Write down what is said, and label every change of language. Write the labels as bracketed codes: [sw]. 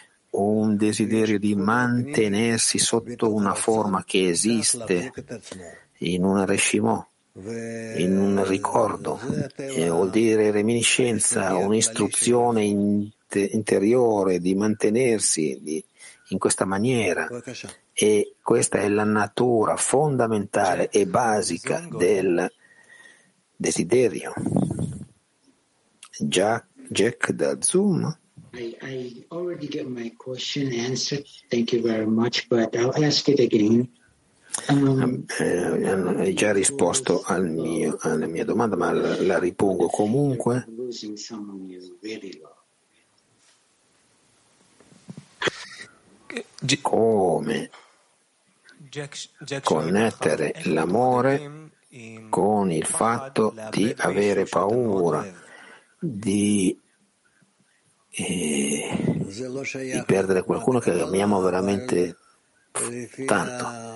[it] Un desiderio di mantenersi sotto una forma che esiste in un reshimo, in un ricordo, e vuol dire reminiscenza, un'istruzione interiore di mantenersi in questa maniera. E questa è la natura fondamentale e basica del desiderio. Jack da Zoom. [en] I already get my question answered, thank you very much, but I'll ask it again. [it] Hai già risposto alla mia domanda, ma la ripongo comunque. Come connettere l'amore con il fatto di avere paura di perdere qualcuno che amiamo veramente tanto?